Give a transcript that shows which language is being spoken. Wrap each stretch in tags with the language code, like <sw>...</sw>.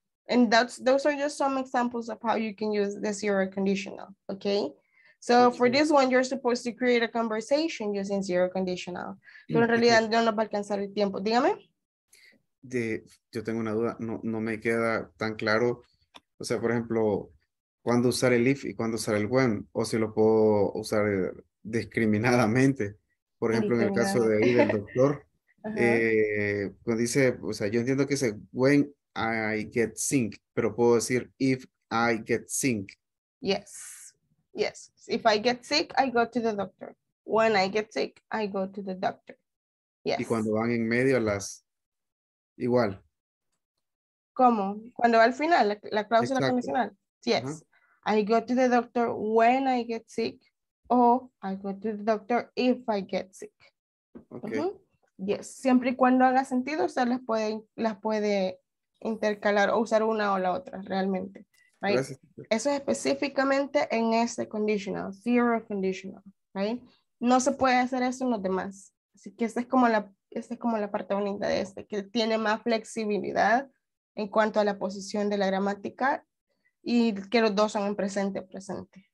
<en>And those are just some examples of how you can use the zero conditional, okay? So for this one, you're supposed to create a conversation using zero conditional.</en> <es>Pero en realidad no nos va a alcanzar el tiempo. Dígame. Yo tengo una duda, no me queda tan claro. O sea, por ejemplo, ¿cuándo usar el if y cuándo usar el when? ¿O si lo puedo usar discriminadamente? Por ejemplo, en el caso de ahí del doctor, cuando dice, o sea, yo entiendo que dice</es> <en>when I get sick,</en> <es>pero puedo decir</es> <en>if I get sick. Yes, yes. If I get sick, I go to the doctor. When I get sick, I go to the doctor. Yes.</en> <es>Y cuando van en medio las, igual. ¿Cómo? Cuando va al final, la cláusula condicional. Yes. Uh-huh.</es> <en>I go to the doctor when I get sick, or I go to the doctor if I get sick. Okay.</en> <es>Yes, siempre y cuando haga sentido, usted las puede intercalar o usar una o la otra realmente. Right? Gracias. Eso es específicamente en este conditional, zero conditional. Right? No se puede hacer eso en los demás. Así que esta es como la parte bonita de este, que tiene más flexibilidad en cuanto a la posición de la gramática y que los dos son en presente, presente.</es>